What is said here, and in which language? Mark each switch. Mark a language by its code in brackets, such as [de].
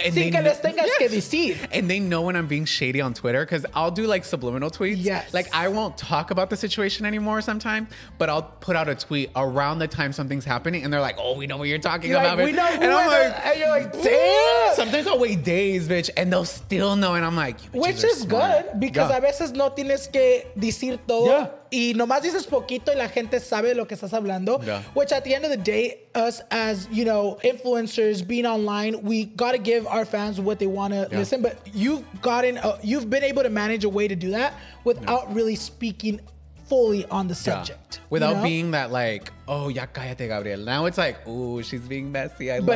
[en] and they know when I'm being shady on Twitter because I'll do like subliminal tweets. Yes. Like I won't talk about the situation anymore sometime, but I'll put out a tweet around the time something's happening and they're like, oh, we know what you're talking about. We know. And I'm like, and you're like, damn. Sometimes I'll wait days, bitch, and they'll still know. And I'm like, you bitches are smart. Which is good because [es] a veces no tienes que decir todo. [en] Yeah. [es] Y nomás dices poquito y la gente sabe lo que estás hablando. [en] Yeah. Which at the end of the day, us as, you know, influencers being online, we got to give our fans what they want to listen. But you've gotten, you've been able to manage a way to do that without really speaking fully on the subject. Yeah. Without being that like, oh, [es] ya cállate, [en] Gabriel. Now it's like, ooh, she's being messy. I love it.